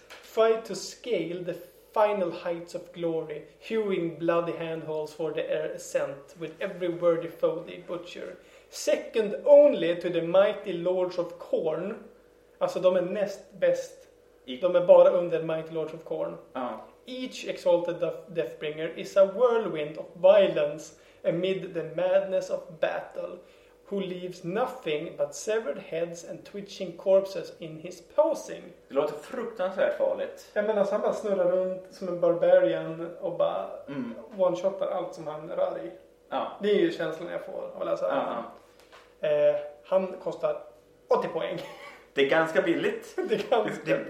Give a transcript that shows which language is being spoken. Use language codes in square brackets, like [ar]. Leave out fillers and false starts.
[en] Fight to scale the final heights of glory, hewing bloody handholds for the air ascent with every worthy foe they butcher. Second only to the mighty lords of corn. [sv] Alltså de är näst bäst. De är bara under [en] mighty lords of corn. Each exalted deathbringer is a whirlwind of violence amid the madness of battle, who leaves nothing but severed heads and twitching corpses in his posing. [sv] Det låter fruktansvärt farligt. Ja, men alltså han bara snurrar runt som en barbarian och bara one-shotar allt som han rör i. Ja. Det är ju känslan jag får av att läsa. Ja. Han kostar 80 poäng. Det är ganska billigt. Det är